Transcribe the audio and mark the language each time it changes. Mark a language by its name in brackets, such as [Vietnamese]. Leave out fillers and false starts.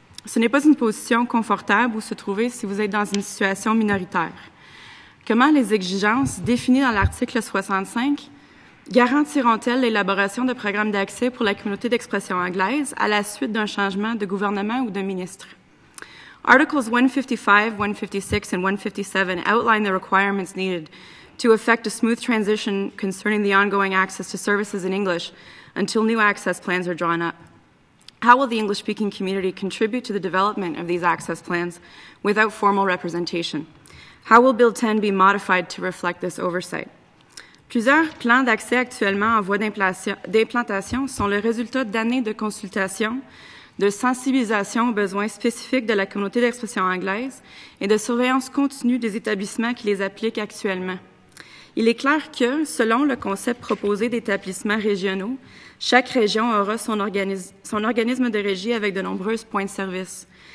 [French] Ce n'est pas une position confortable où se trouver si vous êtes dans une situation minoritaire. Comment les exigences définies dans l'article 65 garantiront-elles l'élaboration de programmes d'accès pour la communauté d'expression anglaise à la suite d'un changement de gouvernement ou de ministre? [English] Articles 155, 156 and 157 outline the requirements needed to effect a smooth transition concerning the ongoing access to services in English until new access plans are drawn up. How will the English-speaking community contribute to the development of these access plans without formal representation? How will Bill 10 be modified to reflect this oversight? [French] Plusieurs plans d'accès actuellement en voie d'implantation sont le résultat d'années de consultations, de sensibilisation aux besoins spécifiques de la communauté d'expression anglaise et de surveillance continue des établissements qui les appliquent actuellement. Il est clair que, selon le concept proposé d'établissements régionaux, chaque région aura son organisme de régie avec de nombreux points de service.